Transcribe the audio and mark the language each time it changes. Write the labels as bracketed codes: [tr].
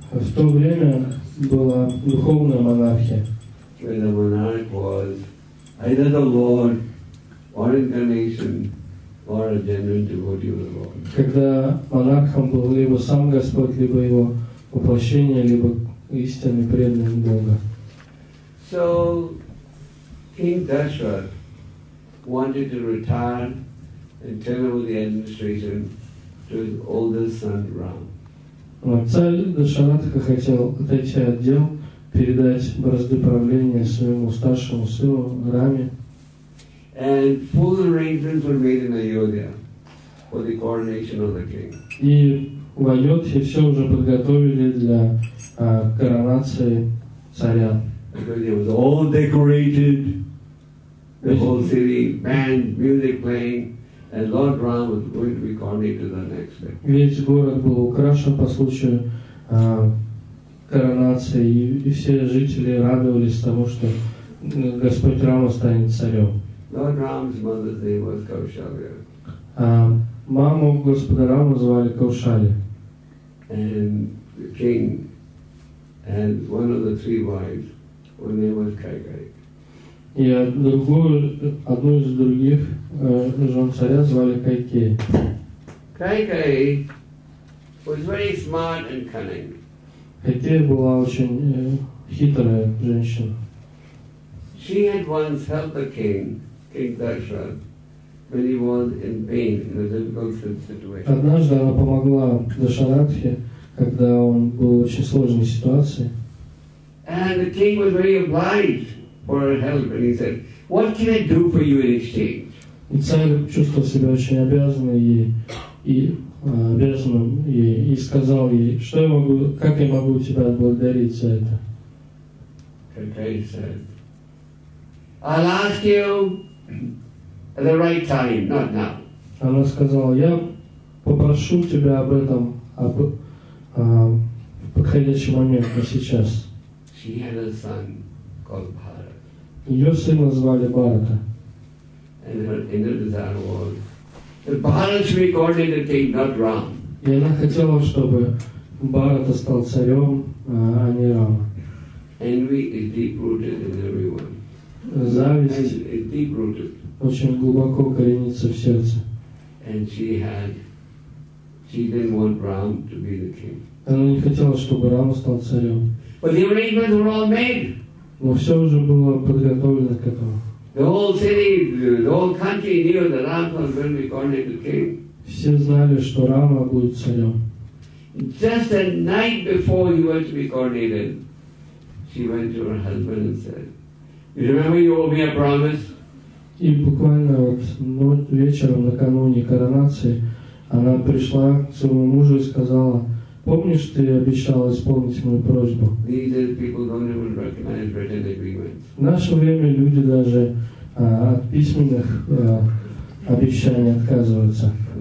[ru] В то время была духовная монархия. [en] Where the monarch was either the Lord or incarnation or a genuine devotee of the Lord. [ru] Когда монархом был либо сам Господь, либо его воплощение, либо истинный преданный Бога. [en] So King Dashrath wanted to retire and turn over the administration to his oldest son Ram. [ru] Царь Дашаратха хотел отойти от дел, передать бразды правления своему старшему сыну Раме. [en] And full arrangements were made in Ayodhya for the coronation of the king. [ru] И в Айодхе все уже подготовили для коронации царя. [en] Because it was all decorated, the whole city, band, music playing. And Lord Ram was going to be coronated the next day. [ru] Весь город был украшен по случаю коронации, и все жители радовались тому, что Господь Рама станет царем. [en] Lord Ram's mother's name was Kaushalya. [ru] Маму Господа Рама звали Кавшали. [en] And the king and one of the three wives, her name was Kaikai. [ru] И одну из других жен царя звали Кайкеи. [en] Кайкеи was very smart and cunning. [ru] Кайкеи была очень хитрая женщина. [en] She had once helped the king, King Dashrath, when he was in pain, in a difficult situation. [ru] Однажды она помогла Дашаратхе, когда он был в очень сложной ситуации. [en] And the king was very obliged for her help, and he said, "What can I do for you in exchange?" [ru] И царь чувствовал себя очень обязанным ей, и сказал ей, что я могу, как я могу тебя отблагодарить за это. [en] Kaikeyi said, "I'll ask you at the right time, not now." [ru] Она сказала, я попрошу тебя об этом в подходящий момент, не сейчас. [en] She had a son called Bharat. [ru] Ее сына звали Бхарата. [en] And her inner desire was that Bharat should be coronated king, not Ram. [ru] И она хотела, чтобы Бхарата стал царем, а не Рама. [en] Envy is deep rooted in everyone. [ru] Зависть очень глубоко коренится в сердце. [en] And she didn't want Ram to be the king. [ru] Она не хотела, чтобы Рама стал царем. [en] But the arrangements were all made. [ru] Но все уже было подготовлено к этому. [en] The whole city, the whole country knew that Rama was going to be coronated king. [ru] Все знали, что Рама будет царем. [en] Just a night before he was to be coronated, she went to her husband and said, "You remember you owe me a promise?" [ru] И буквально вот вечером накануне коронации она пришла к своему мужу и сказала: "Помнишь, ты обещал исполнить мою просьбу?" В наше время люди даже от письменных обещаний отказываются.